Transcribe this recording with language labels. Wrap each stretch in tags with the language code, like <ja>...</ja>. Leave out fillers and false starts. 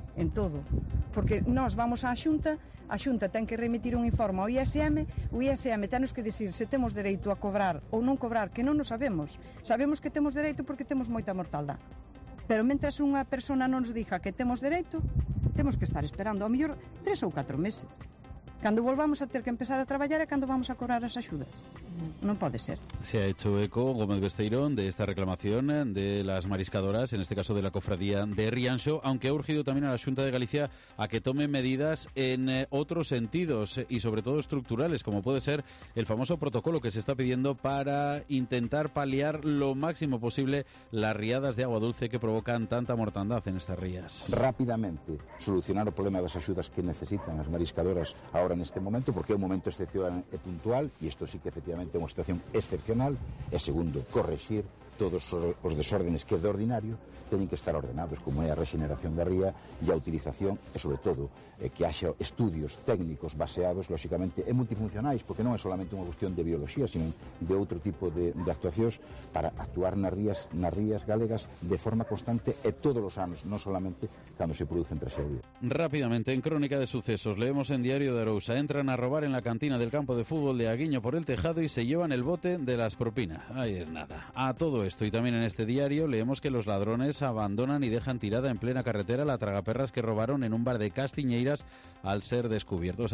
<gl>en todo. Porque nós vamos á Xunta, a Xunta ten que remitir un informe ao ISM, o ISM tenos que decir se temos dereito a cobrar ou non cobrar, que non o sabemos. Sabemos que temos dereito porque temos moita mortaldade. Pero mentras unha persona non nos diga que temos dereito, temos que estar esperando ao mellor 3 ou 4 meses. Cando volvamos a ter que empezar a traballar e cando vamos a cobrar as axudas. Non pode ser.</gl> <es>Se ha hecho eco, Gómez Besteirón, de esta reclamación de las mariscadoras, en este caso de la cofradía de Rianxo, aunque ha urgido también a la Xunta de Galicia a que tome medidas en otros sentidos y sobre todo estructurales, como puede ser el famoso protocolo que se está pidiendo para intentar paliar lo máximo posible las riadas de agua dulce que provocan tanta mortandad en estas rías. Rápidamente solucionar el problema de las axudas que necesitan las mariscadoras ahora en este momento,</es> <gl>porque é un momento excepcional e puntual,</gl> <es>y esto sí que efectivamente</es> <gl>é unha situación excepcional, e segundo, corregir todos os desórdenes que de ordinario teñen que estar ordenados, como é a rexeneración da ría e a utilización, e sobre todo, que haxa estudios técnicos baseados, lógicamente, e multifuncionais, porque non é solamente unha cuestión de bioloxía, sino de outro tipo de actuacións para actuar nas rías galegas de forma constante e todos os anos, non solamente cando se producen traxedias.</gl> <es>Rápidamente, en Crónica de Sucesos, leemos en Diario de Arousa, entran a robar en la cantina del campo de fútbol de Aguiño por el tejado y se llevan el bote de las propinas. Ahí es nada. A todo esto y también en este diario leemos que los ladrones abandonan y dejan tirada en plena carretera la tragaperras que robaron en un bar de Castiñeiras al ser descubiertos.</es>